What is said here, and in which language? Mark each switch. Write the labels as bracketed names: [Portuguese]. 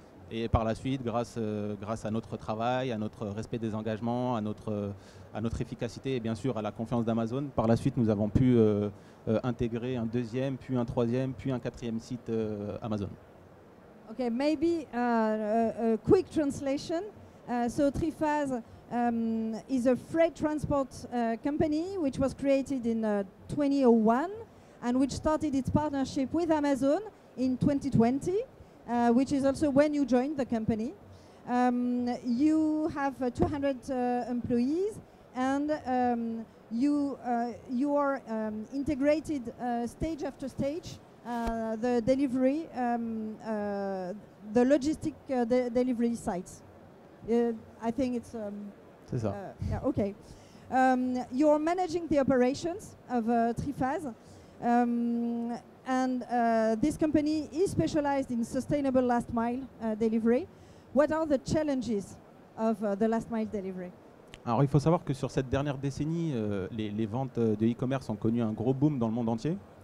[French] Et par la suite, grâce à notre travail, à notre respect des engagements, à notre efficacité et bien sûr à la confiance d'Amazon, par la suite, nous avons pu intégrer un deuxième, puis un troisième, puis un quatrième site Amazon. [English] OK, maybe a quick translation. So Trifaz is a freight transport company which was created in 2001 and which started its partnership with Amazon in 2020. Which is also when you joined the company. You have 200 employees, and you are integrated stage after stage the delivery, the logistic delivery sites. I think it's. [French] C'est ça. [English] Yeah, okay. You're managing the operations of Triphase. And this company is specialized in sustainable last mile delivery. What are the challenges of the last mile delivery? [French] Alors, il faut savoir que sur cette dernière décennie, les ventes de e-commerce ont connu un gros boom dans le monde entier.